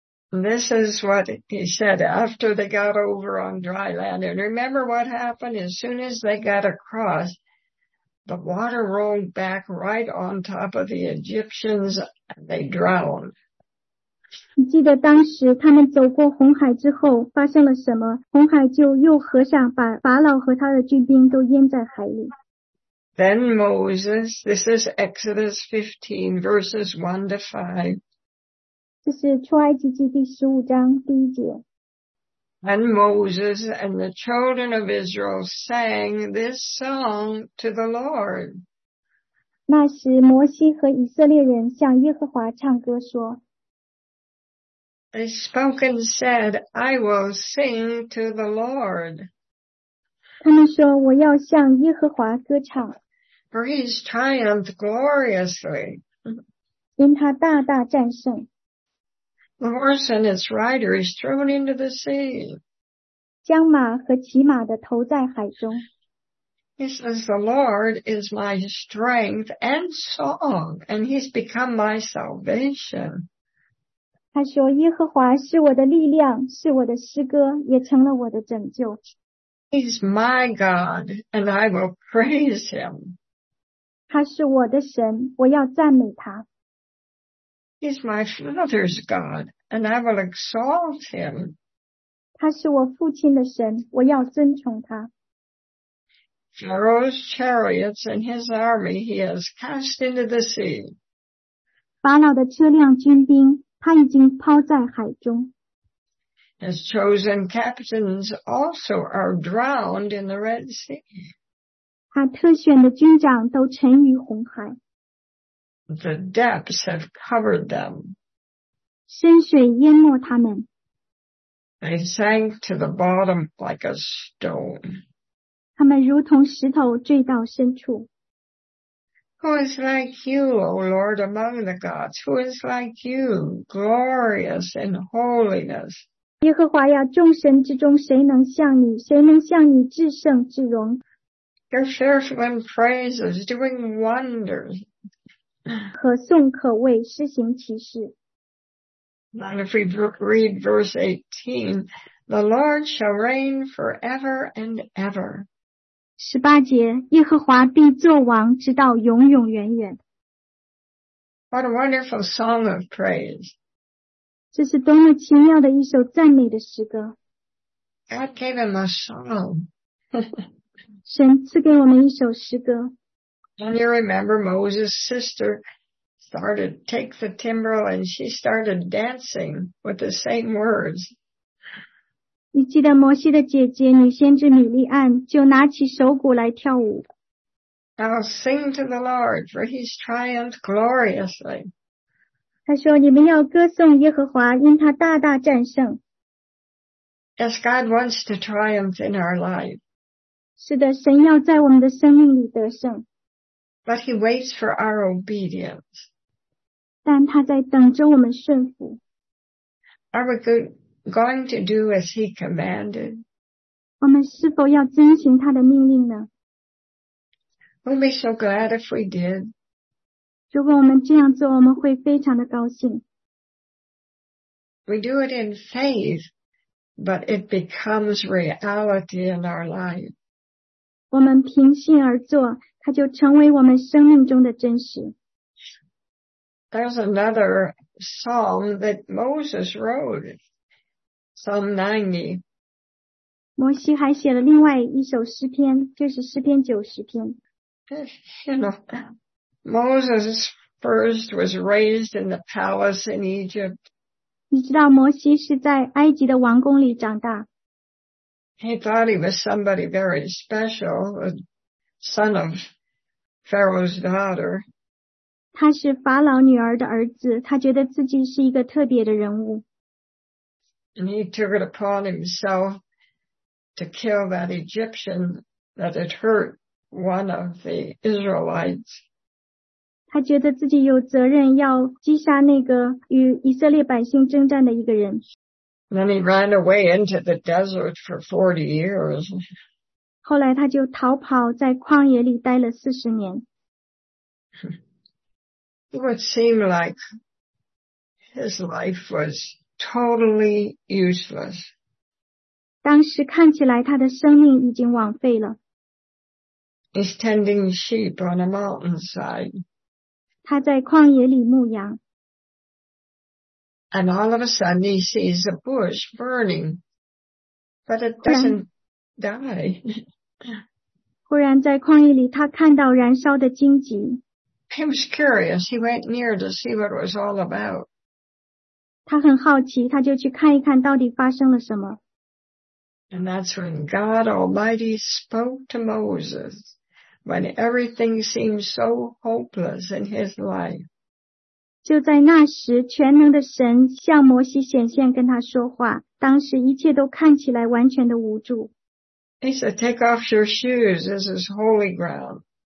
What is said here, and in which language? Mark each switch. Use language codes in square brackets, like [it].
[en] This is what he said after they got over on dry land. And remember what happened? As soon as they got across, the water rolled back right on top of the Egyptians and they drowned. [zh] 你记得当时他们走过红海之后发生了什么？红海就又合上，把法老和他的军兵都淹在海里。 [en] Then Moses, this is Exodus 15 verses 1 to 5. [zh] 这是出埃及记第十五章第一节。 [en] And Moses and the children of Israel sang this song to the Lord. [zh] 那时摩西和以色列人向耶和华唱歌说。 [en] They spoke and said, I will sing to the Lord. [zh] 他们说我要向耶和华歌唱。 [en] For he has triumphed gloriously. [zh] 因他大大战胜。 [en] The horse and its rider is thrown into the sea. [zh] 将马和骑马的投在海中。 [en] He says, the Lord is my strength and song, and he's become my salvation. [zh] 他说耶和华是我的力量，是我的诗歌，也成了我的拯救。 [en] He's my God, and I will praise him. [zh] 他是我的神，我要赞美他。 [en] He's my father's God, and I will exalt him. [zh] 他是我父亲的神，我要尊崇他。 [en] Pharaoh's chariots and his army he has cast into the sea. [zh] 法老的车辆军兵，他已经抛在海中。 [en] His chosen captains also are drowned in the Red Sea. [zh] 他特选的军长都沉于红海。 [en] The depths have covered them. [zh] 深水淹没他们。 [en] They sank to the bottom like a stone. [zh] 他们如同石头坠到深处。 [en] Who is like you, O Lord, among the gods? Who is like you, glorious in holiness? [zh] 耶和华呀，众神之中谁能像你？谁能像你至圣至荣？ [en] You're fearful in praises, doing wonders. [zh] 可颂可畏，施行奇事。 [en] Now if we read verse 18, the Lord shall reign forever and ever. [zh] 十八节，耶和华必作王，直到永永远远。 [en] What a wonderful song of praise! [zh] 这是多么奇妙的一首赞美的诗歌。 [en] God gave him a song. [zh] 神赐给我们一首诗歌。 [en] And you remember Moses' sister started to take the timbrel and she started dancing with the same words. [zh] 你记得摩西的姐姐女先知米利暗就拿起手鼓来跳舞。 [en] I'll sing to the Lord for he's triumphed gloriously. [zh] 她说你们要歌颂耶和华因他大大战胜。 [en] Yes, God wants to triumph in our life. [zh] 是的神要在我们的生命里得胜。 [en] But he waits for our obedience. [zh] 但他在等着我们顺服。 [en] Are we going to do as he commanded? [zh] 我们是否要遵循他的命令呢？ [en] We'll be so glad if we did. [zh] 如果我们这样做，我们会非常的高兴。 [en] We do it in faith, but it becomes reality in our life. [zh] 我们凭信而做。它就成为我们生命中的真实。 [en] There's another psalm that Moses wrote, Psalm 90. [zh] 摩西还写了另外一首诗篇，就是诗篇九十篇。 [en] You know, Moses first was raised in the palace in Egypt. [zh] 你知道摩西是在埃及的王宫里长大。 [en] He thought he was somebody very special, a son of Pharaoh's daughter. [zh] 他是法老女儿的儿子，他觉得自己是一个特别的人物。 [en] And he took it upon himself to kill that Egyptian that had hurt one of the Israelites. [zh] 他觉得自己有责任要击杀那个与以色列百姓征战的一个人。 [en] Then he ran away into the desert for 40 years. [zh] 后来他就逃跑在旷野里待了40年。 [en] It would seem like his life was totally useless. [zh] 当时看起来他的生命已经枉费了。 [en] He's tending sheep on a mountainside. [zh] 他在旷野里牧羊。 [en] And all of a sudden he sees a bush burning, but it doesn't die. [zh] 忽然在旷野里他看到燃烧的荆棘。 [en] He was curious, he went near to see what it was all about. [zh] 他很好奇，他就去看一看到底发生了什么。 [en] And that's when God Almighty spoke to Moses, when everything seemed so hopeless in his life. [zh] 就在那时，全能的神向摩西显现跟他说话，当时一切都看起来完全的无助。 [en] He said, take off your shoes, this is holy ground.